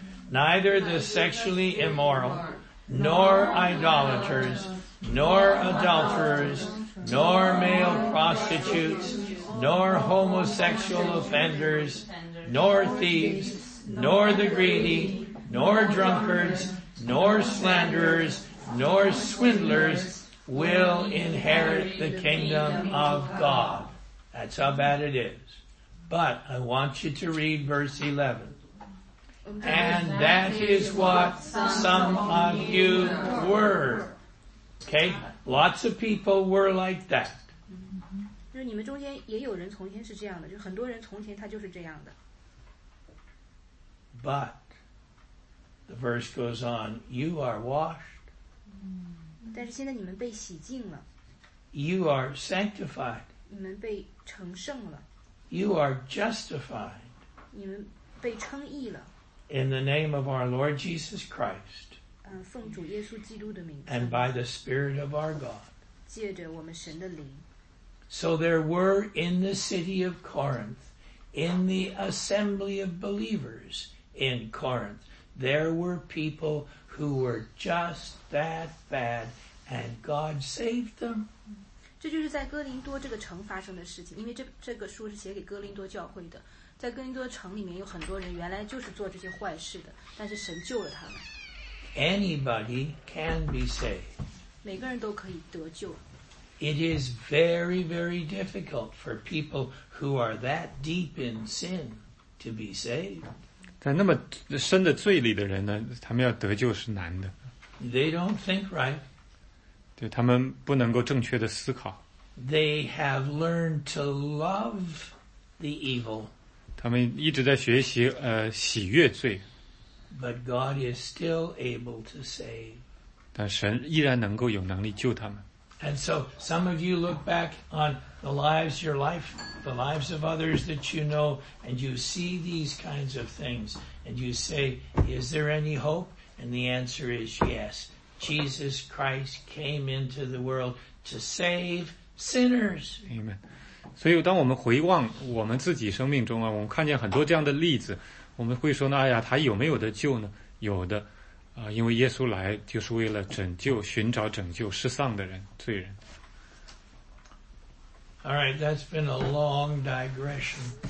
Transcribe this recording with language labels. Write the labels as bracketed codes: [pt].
[en] neither the sexually immoral, nor idolaters, nor adulterers, nor male prostitutes, nor homosexual offenders, nor thieves, nor the greedy, nor drunkards, nor slanderers, nor swindlers,will inherit the kingdom of God. That's how bad it is. But I want you to read verse 11. And that is what some of you were. Okay? Lots of people were like that. [zh] 就是你们中间也有人从前是这样的，就很多人从前他就是这样的。 [en] But the verse goes on, you are washed. [zh] 但是现在你们被洗净了。 [en] You are sanctified. [zh] 你们被成圣了。 [en] You are justified. [zh] 你们被称义了。 [en] In the name of our Lord Jesus Christ. [zh] 奉主耶稣基督的名字。 [en] And by the Spirit of our God. [zh] 借着我们神的灵。 [en] So there were in the city of Corinth, in the assembly of believers in Corinth, there were people who were just that bad, and God saved them. [zh] 这就是在哥林多这个城发生的事情，因为这个书是写给哥林多教会的，在哥林多城里面有很多人原来就是做这些坏事的，但是神救了他们。 [en] Anybody can be saved. [zh] 每个人都可以得救。 [en] It is very, very difficult for people who are that deep in sin to be saved. [zh] 在那么深的罪里的人呢，他们要得救是难的。 [en] They don't think right. [zh] 对，他们不能够正确的思考。 [en] They have learned to love the evil. [zh] 他们一直在学习喜悦罪。 [en] But God is still able to save. [zh] 但神依然能够有能力救他们。 [en] And so some of you look back on the lives, your life, the lives of others that you know, and you see these kinds of things, and you say, is there any hope? And the answer is yes. Jesus Christ came into the world to save sinners. Amen. [zh] 所以当我们回望我们自己生命中啊，我们看见很多这样的例子，我们会说呢，哎呀，他有没有得救呢？有的。因为耶稣来就是为了拯救寻找拯救失丧的人罪人。 [en] All right, that's been a long digression.